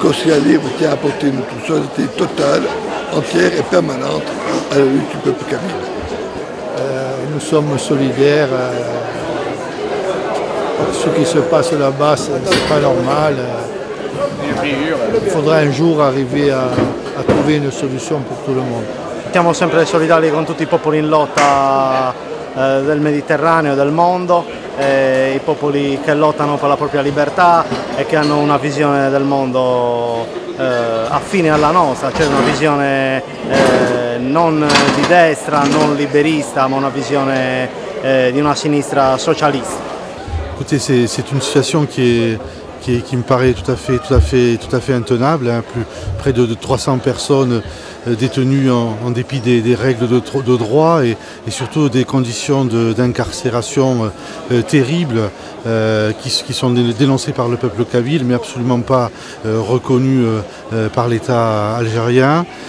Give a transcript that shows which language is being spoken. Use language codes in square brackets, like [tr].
[fr] Corsica Libre tient à apporter notre solidarité totale, entière et permanente à la lutte du peuple kabyle. Nous sommes solidaires. Ce qui se passe là-bas, ce n'est pas normal. Il faudra un jour arriver à trouver une solution pour tout le monde. [it] Siamo sempre solidari con tutti i popoli in lotta del Mediterraneo, del mondo, i popoli che lottano per la propria libertà e che hanno una visione del mondo affine alla nostra, cioè una visione non di destra, non liberista, ma una visione di una sinistra socialista. [fr] Écoutez, c'est une situation qui me paraît tout à fait intenable, hein, plus près de 300 personnes détenus en dépit des règles de droit et surtout des conditions d'incarcération terribles qui sont dénoncées par le peuple kabyle mais absolument pas reconnues par l'État algérien.